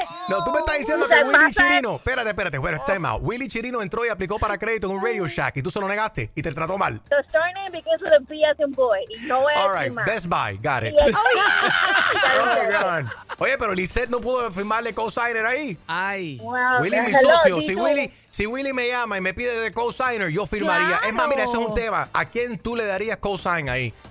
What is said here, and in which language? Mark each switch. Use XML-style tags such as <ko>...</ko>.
<es>No, tú me estás diciendo que Willy Chirino... Espérate,</es> <en>time out.</en> <es>Willy Chirino entró y aplicó para crédito en un Radio Shack y tú se lo negaste y te trató mal.</es> <en>The story name begins with a B as in boy.</en> <es>No es</es> <en>All right,</en> <es>más.</es> <en>Best Buy, got it. Oh, God.</en> <es>Oye, pero Lizette no pudo firmarle co-signer ahí. Ay. Wow, Willy es mi socio. Si Willy me llama y me pide de co-signer, yo firmaría. Claro. Es más, mira, eso es un tema. ¿A quién tú le darías co-sign ahí?</es>